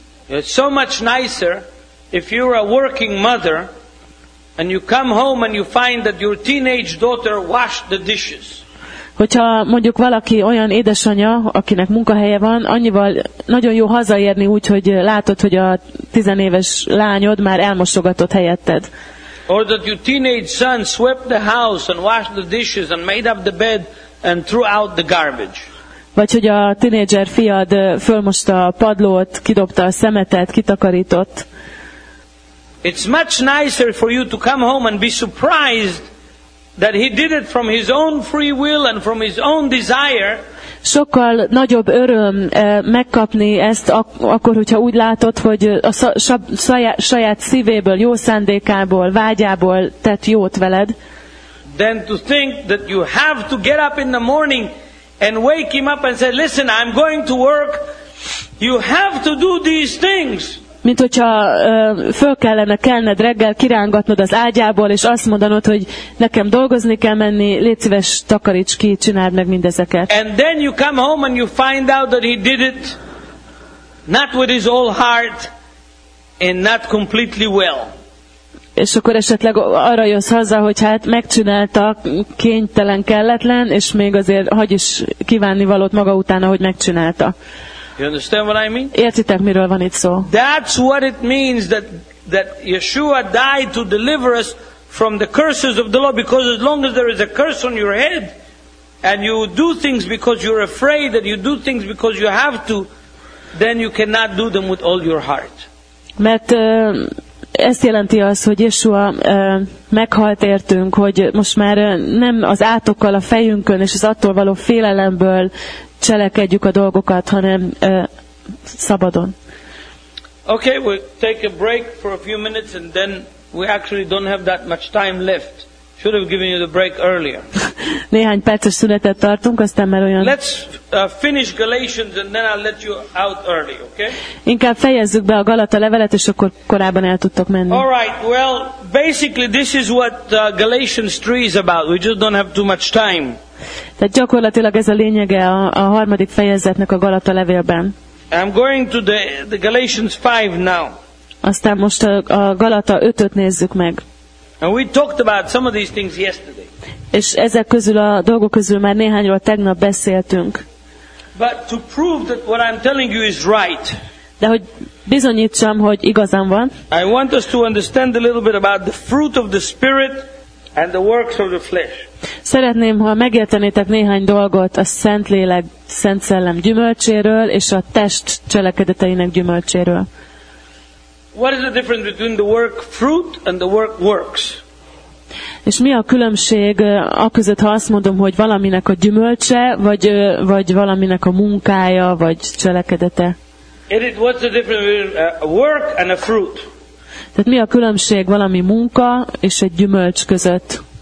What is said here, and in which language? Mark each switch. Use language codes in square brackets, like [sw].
[en] It's so much nicer if you're a working mother and you come home and you find that your teenage daughter washed the dishes. [hu] Hogyha mondjuk valaki olyan édesanyja, akinek munkahelye van, annyival nagyon jó hazaérni úgy, hogy látod, hogy a 10 éves lányod már elmosogatott helyetted. [en] Or that your teenage son swept the house and washed the dishes and made up the bed and threw out the garbage. [hu] Vagy hogy a tinédzser fiad fölmosta a padlót, kidobta a szemetet, kitakarított. [en] It's much nicer for you to come home and be surprised that he did it from his own free will and from his own desire. [hu] Sokkal nagyobb öröm megkapni ezt akkor, hogyha úgy látod, hogy a saját szívéből, jó szándékából, vágyából tett jót veled. [en] Then to think that you have to get up in the morning and wake him up and say, listen, I'm going to work. You have to do these things. [hu] Mint hogyha föl kellene kelned reggel, kirángatnod az ágyából, és azt mondanod, hogy nekem dolgozni kell menni, légy szíves, takaríts ki, csináld meg mindezeket. [en] And then you come home and you find out that he did it not with his whole heart and not completely well. [hu] És akkor esetleg arra jössz haza, hogy hát megcsinálta, kénytelen, kelletlen, és még azért hagy is kívánni valót maga utána, hogy megcsinálta. [en] You understand what I mean? [hu] Értitek, miről van itt szó? [en] That's what it means that Yeshua died to deliver us from the curses of the law, because as long as there is a curse on your head and you do things because you're afraid that you do things because you have to, then you cannot do them with all your heart. [hu] Mert ezt jelenti az, hogy Jeshua meghalt értünk, hogy most már nem az átokkal a fejünkön és az attól való félelemből cselekedjük a dolgokat, hanem szabadon. [en] Okay, we'll take a break for a few minutes and then we actually don't have that much time left. Should have given you the break earlier. [hu] Néhány perces szünetet tartunk, aztán már olyan... [en] Let's finish Galatians and then I'll let you out early, okay? [hu] Inkább fejezzük be a Galata levelet, és akkor korábban el tudtok menni. [en] All right, well, basically this is what Galatians 3 is about. We just don't have too much time. [hu] Tehát gyakorlatilag ez a lényege a harmadik fejezetnek a Galata levélben. [en] I'm going to the Galatians 5 now. [hu] Aztán most a Galata 5-öt nézzük meg. [en] And we talked about some of these things yesterday. [hu] És ezek közül a dolgok közül már néhányról tegnap beszéltünk. [en] But to prove that what I'm telling you is right. [hu] De hogy bizonyítsam, hogy igazam van. [en] I want us to understand a little bit about the fruit of the spirit and the works of the flesh. [hu] Szeretném, ha megértenétek néhány dolgot a Szentlélek, Szent Szellem gyümölcséről és a test cselekedeteinek gyümölcséről. [en] What is the difference between the work fruit and the work works? [hu] És mi a különbség a között, ha azt mondom, hogy valaminek a gyümölcse, vagy valaminek a munkája, vagy cselekedete? [en] What's the difference between a work and a fruit? [hu] Tehát mi a különbség valami munka és egy gyümölcs között?